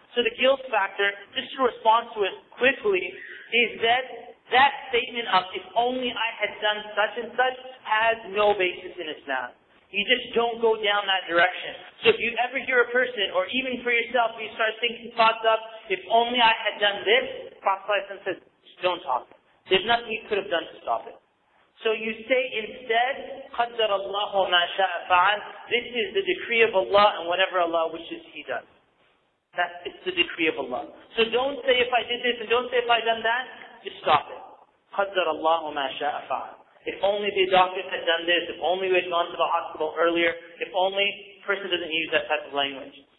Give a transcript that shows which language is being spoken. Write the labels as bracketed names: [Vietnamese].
[English] So the guilt factor, just to respond to it quickly, is that statement of, if only I had done such and such, has no basis in Islam. You just don't go down that direction. So if you ever hear a person, or even for yourself, you start thinking thoughts up, if only I had done this, Prophet says, don't talk. There's nothing you could have done to stop it. [Arabic] So you say instead, قَدَّرَ اللَّهُ مَا شَاءَ فَعَلْ. [English] This is the decree of Allah, and whatever Allah wishes, He does. It's the decree of Allah. So don't say if I did this, and don't say if I done that, just stop it. [Arabic] قَدَّرَ اللَّهُ مَا شَاءَ فَعَلْ. [English] If only the doctors had done this, if only we had gone to the hospital earlier, if only a person doesn't use that type of language.